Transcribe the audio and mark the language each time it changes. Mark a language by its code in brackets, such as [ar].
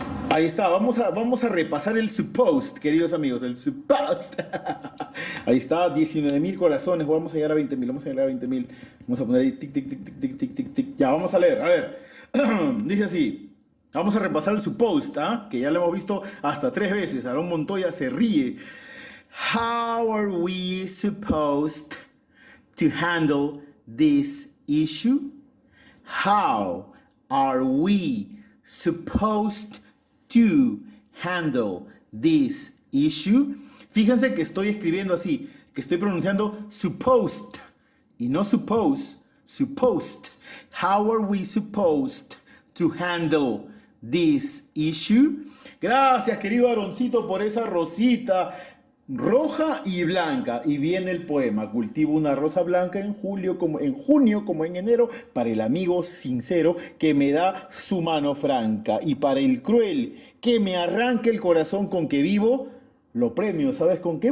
[es] Ahí está, vamos a repasar el supposed, queridos amigos, el supposed. Ahí está, 19.000 corazones, vamos a llegar a 20.000, vamos a llegar a 20.000. Vamos a poner ahí, tic, tic, tic, tic, tic, tic, tic, tic. Ya, vamos a leer, a ver. Dice así, vamos a repasar el supposed, ¿eh? Que ya lo hemos visto hasta tres veces. Aarón Montoya se ríe. [en] How are we supposed to handle this issue? How are we supposed to handle this issue? [es] Fíjense que estoy escribiendo así, que estoy pronunciando supposed y no suppose, supposed. [en] How are we supposed to handle this issue? [es] Gracias, querido Aaroncito, por esa rosita roja y blanca. Y viene el poema. Cultivo una rosa blanca en julio, como en junio, como en enero, para el amigo sincero que me da su mano franca. Y para el cruel que me arranque el corazón con que vivo, lo premio, ¿sabes con qué?